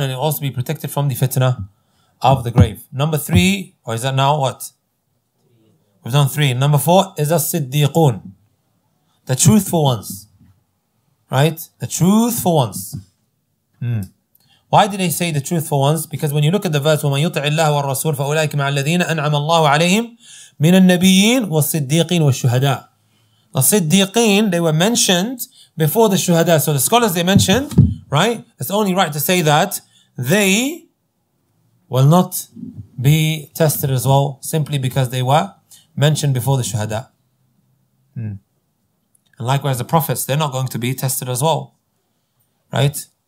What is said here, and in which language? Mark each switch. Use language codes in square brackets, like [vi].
[en] And he'll also be protected from the fitna of the grave. Number 3, or is that now what? We've done 3. Number 4 is الصِّدِّيقُون. The truthful ones. Right? The truthful ones. Why did they say the truthful ones? Because when you look at the verse, [ar] وَمَنْ يُطِعِ اللَّهُ وَالرَّسُولُ فَأُولَٰئِكَ مَعَ الَّذِينَ أَنْعَمَ اللَّهُ عَلَيْهِمْ مِنَ النَّبِيِّينَ وَالصِّدِّيقِينَ وَالشُّهَدَاءِ. [en] The Siddiqeen, they were mentioned before the Shuhada. So the scholars, they mentioned, right? It's only right to say that they will not be tested as well, simply because they were mentioned before the Shuhada. And likewise, the prophets, they're not going to be tested as well, right?